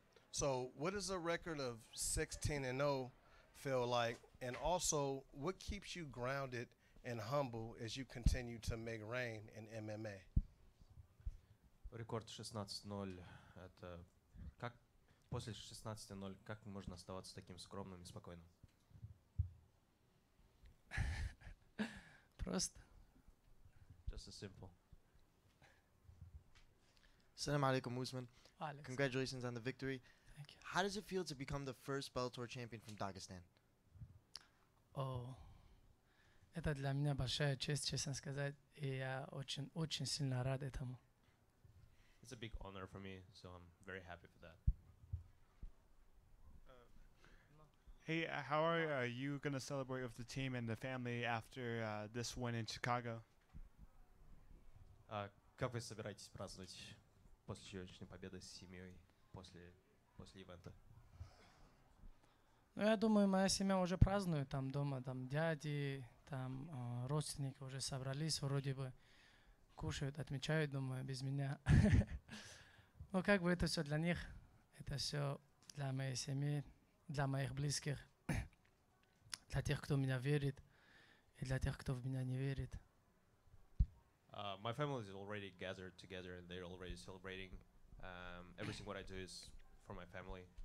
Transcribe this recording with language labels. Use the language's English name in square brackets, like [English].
[English] So what does a record of 16-0 feel like? And also, what keeps you grounded and humble as you continue to make rain in MMA? [Russian] Рекорд 16-0. Это как после 16-0, как можно оставаться таким скромным и спокойным? Просто. [English] Just a simple. Assalamu alaikum, Usman. Alex. Congratulations on the victory. Thank you. How does it feel to become the first Bellator champion from Dagestan? [Russian] Oh, это для меня большая честь, честно сказать, и я очень, очень сильно рад этому. [English] It's a big honor for me, so I'm very happy for that. Hey, how are you going to celebrate with the team and the family after this win in Chicago? [Russian] Как вы собираетесь праздновать? После сегодняшней победы с семьей, после ивента. Ну, я думаю, моя семья уже празднует там дома, там дяди, там родственники уже собрались, вроде бы кушают, отмечают, думаю, без меня. Ну, как бы это все для них, это все для моей семьи, для моих близких, для тех, кто в меня верит, и для тех, кто в меня не верит. [English] My family is already gathered together and they're already celebrating. Everything what I do is for my family.